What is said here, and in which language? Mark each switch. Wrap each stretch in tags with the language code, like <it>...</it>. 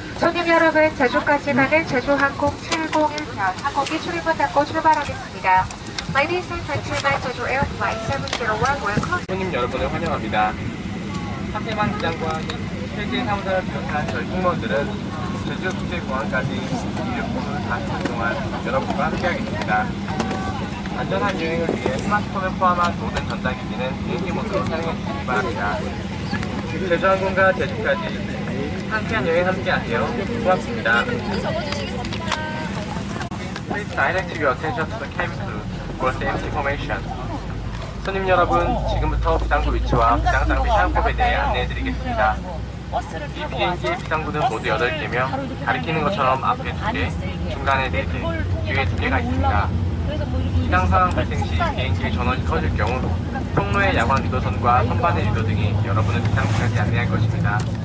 <ko>손님 여러분, 제주까지 가는 제주항공 701편 항공기 출입문 닫고 출발하겠습니다.</ko> <en>Ladies and gentlemen, 제주 에어플라이 701, welcome.</en> <ko>손님 여러분을 환영합니다. 하태만 기장과 실제 사무사를 비롯한 저희 승무원들은 제주 국제공항까지 이륙을 다시 이동한 여러분과 함께하겠습니다. 안전한 여행을 위해 스마트폰을 포함한 모든 전자기기는 비행기 모드로 사용해주시기 바랍니다. 제주항공과 제주까지 상쾌한 여행 함께하세요. 고맙습니다. 적어주시겠습니다.</ko> <en>Please direct your attention to the cabin crew for safety information.</en> <ko>손님 여러분, 지금부터 비상구 위치와 비상 장비 사용법에 대해 안내해드리겠습니다. 이 비행기의 비상구는 모두 8개며 가리키는 것처럼 앞에 2개, 중간에 4개, 뒤에 2개가 있습니다. 비상 상황 발생 시 비행기의 전원이 꺼질 경우 통로의 야광 리더선과 선반의 리더 등이 여러분을 비상구까지 안내할 것입니다.</ko>